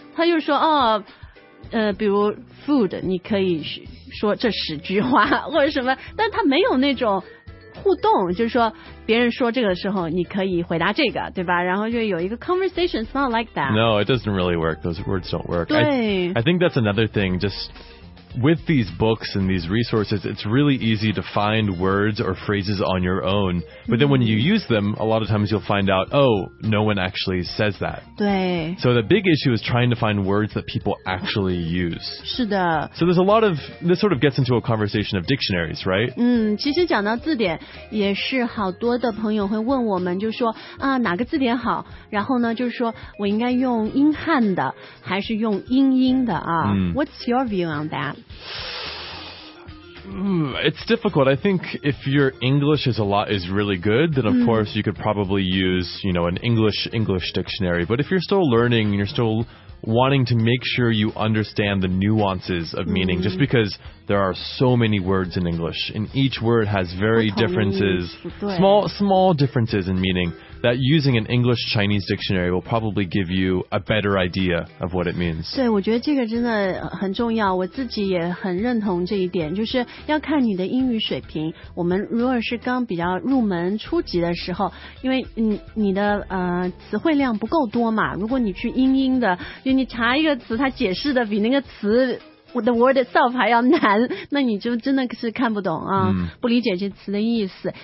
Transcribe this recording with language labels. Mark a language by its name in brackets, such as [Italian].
[Chinese] 他就说哦比如 food 你可以说这十句话或者什么，但他没有那种互动，就是说别人说这个时候你可以回答这个，对吧？然后就有一个 [English] conversation, it's not like that. No, it doesn't really work. Those words don't work. [Chinese] 对。 [English] I think that's another thing, just with these books and these resources, it's really easy to find words or phrases on your own. But then when you use them, a lot of times you'll find out, oh, no one actually says that. [Chinese] 对。 [English] So the big issue is trying to find words that people actually use. [Chinese] 是的。 [English] So there's a lot of, this sort of gets into a conversation of dictionaries, right? [Chinese] 其实讲到字典也是好多的朋友会问我们，就说啊哪个字典好，然后呢就是说我应该用英汉的还是用英英的啊。 [English] What's your view on that? It's difficult. I think if your English is a lot is really good, then of course you could probably use, you know, an English dictionary. But if you're still learning and you're still wanting to make sure you understand the nuances of meaning, just because there are so many words in English and each word has very differences, small differences in meaning, that using an English Chinese dictionary will probably give you a better idea of what it means. [Chinese] 对，我觉得这个真的很重要，我自己也很认同这一点，就是要看你的英语水平。我们如果是刚比较入门初级的时候，因为你的词汇量不够多嘛，如果你去英英的，就你查一个词，它解释的比那个词 [English] The word itself [Chinese] 还要难，那你就真的是看不懂啊，不理解这词的意思。